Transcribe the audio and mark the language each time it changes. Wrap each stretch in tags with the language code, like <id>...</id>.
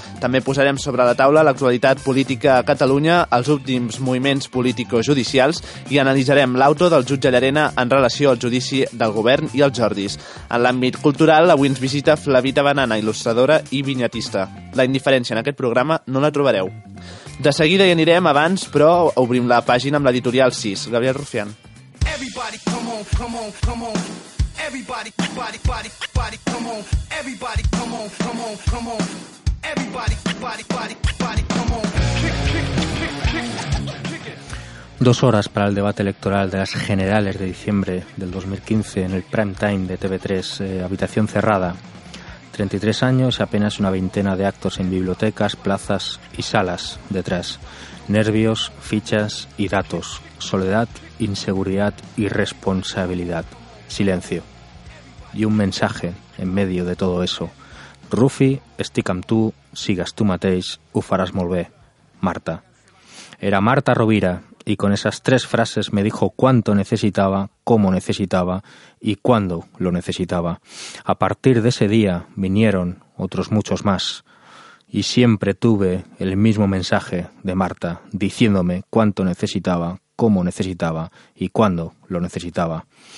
<ca>També posarem sobre la taula l'actualitat política a Catalunya, els últims moviments politico-judicials i analitzarem l'auto del jutge Llarena en relació al judici del govern i els Jordis. En l'àmbit cultural, avui ens visita Flavita Banana, il·lustradora i vinyetista. La indiferència en aquest programa no la trobareu. De seguida hi anirem abans, però obrim la pàgina amb l'editorial 6. Gabriel Rufián.</ca> <en>Everybody, come on, come on, come on. Everybody, body, body, body, come on. Everybody, come on, come on, come on. Everybody, body, body, body, come on.</en> <es>Dos horas para el debate electoral de las generales de diciembre del 2015 en el prime time de TV3, habitación cerrada. 33 años y apenas una veintena de actos en bibliotecas, plazas y salas detrás. Nervios, fichas y datos. Soledad, inseguridad y responsabilidad. Silencio. Y un mensaje en medio de todo eso.</es> <ca>Rufi, estic amb tu, sigues tu mateix, ho faràs molt bé. Marta.</ca> <es>Era Marta Rovira y con esas tres frases me dijo cuánto necesitaba, cómo necesitaba y cuándo lo necesitaba. A partir de ese día vinieron otros muchos más. Y siempre tuve el mismo mensaje de Marta, diciéndome cuánto necesitaba, cómo necesitaba y cuándo lo necesitaba.</es>